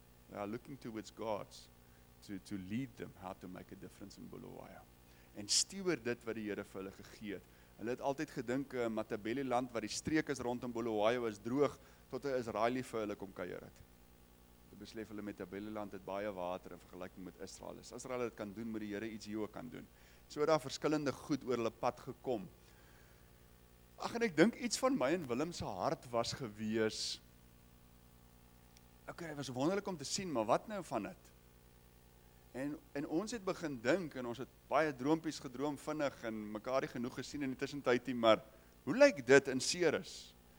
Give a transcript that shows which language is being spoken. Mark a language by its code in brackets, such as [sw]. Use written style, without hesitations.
[en] They are looking towards God to lead them how to make a difference in Bulawayo. [af] En steward dit wat die Here vir hulle gegee het. Hulle het altyd gedink Matabele land wat die streek is rondom Bulawayo is droog tot 'n Israeliet vir hulle kom kuier het. Beslef hulle met Matabele land het baie water in vergelyking met Israel. As Israel dit kan doen, moet die Here iets hier ook kan doen. So het daar verskillende goed oor hulle pad gekom. Ag en ek dink iets van my en Willem se hart was gewees. Okay, dit was wonderlik om te sien, maar wat nou van dit? En ons het begin dink en ons het baie droompies gedroom vinnig en mekaar genoeg gesien in die tussentyd, maar hoe lyk dit in Ceres?